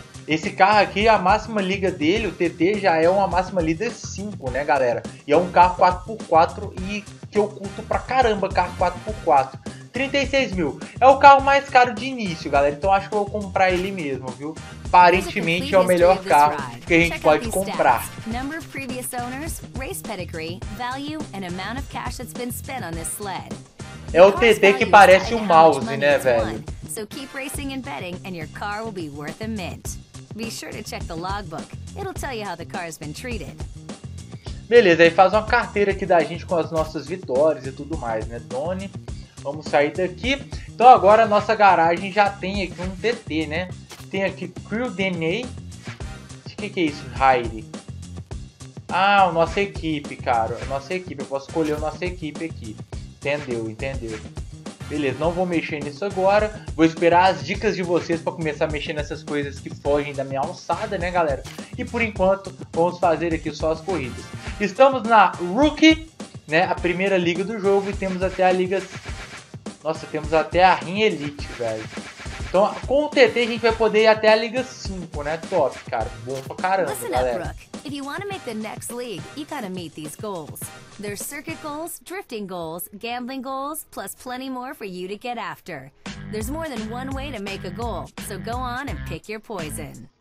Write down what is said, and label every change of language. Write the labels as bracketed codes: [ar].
[pt] Esse carro aqui, a máxima liga dele, o TT, já é uma máxima liga 5, né, galera? E é um carro 4x4 e que eu curto pra caramba, carro 4x4. 36 mil. É o carro mais caro de início, galera, então acho que eu vou comprar ele mesmo, viu? Aparentemente é o melhor carro que a gente pode comprar. [en] Number of previous owners, race pedigree, value and amount of cash that's been spent on this sled. [pt] É o TT que parece um mouse, né, velho? [en] So keep racing and betting and your car will be worth a mint. Be sure to check the logbook. It'll tell you how the car has been treated. [pt] Beleza, aí faz uma carteira aqui da gente com as nossas vitórias e tudo mais, né, Tony? Vamos sair daqui. Então agora a nossa garagem já tem aqui um TT, né? Tem aqui Crew DNA. O que é isso, Heidi? Ah, a nossa equipe, cara. A nossa equipe. Eu posso escolher a nossa equipe aqui. Entendeu, entendeu. Beleza, não vou mexer nisso agora. Vou esperar as dicas de vocês para começar a mexer nessas coisas que fogem da minha alçada, né, galera? E por enquanto, vamos fazer aqui só as corridas. Estamos na Rookie, né? A primeira liga do jogo. E temos até a liga... Nossa, temos até a Rim Elite, velho. Então, com o TT a gente vai poder ir até a Liga 5, né? Top, cara. Bom pra caramba, listen galera. Up, Brooke. [en] If you want to make the next league, you gotta meet these goals. There's circuit goals, drifting goals, gambling goals, plus plenty more for you to get after. There's more than one way to make a goal, so go on and pick your poison.